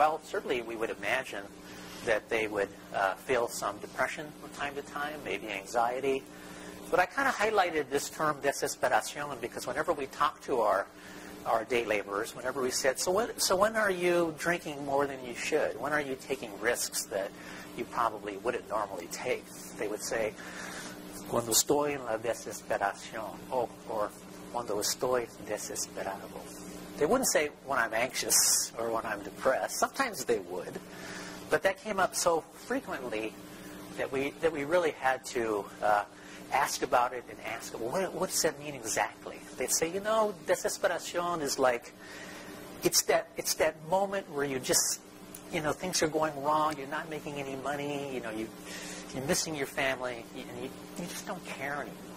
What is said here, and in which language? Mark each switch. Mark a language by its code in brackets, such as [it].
[en] Well, certainly we would imagine that they would feel some depression from time to time, maybe anxiety. But I kind of highlighted this term desesperación because whenever we talk to our day laborers, whenever we said, so when are you drinking more than you should? When are you taking risks that you probably wouldn't normally take? They would say, [es] cuando estoy en la desesperación, [en] or [es] cuando estoy desesperado. [en] They wouldn't say when I'm anxious or when I'm depressed. Sometimes they would. But that came up so frequently that we really had to ask about it and ask, well, what does that mean exactly? They'd say, you know, desesperación is like, it's that moment where you just, you know, things are going wrong, you're not making any money, you know, you're missing your family, and you just don't care anymore.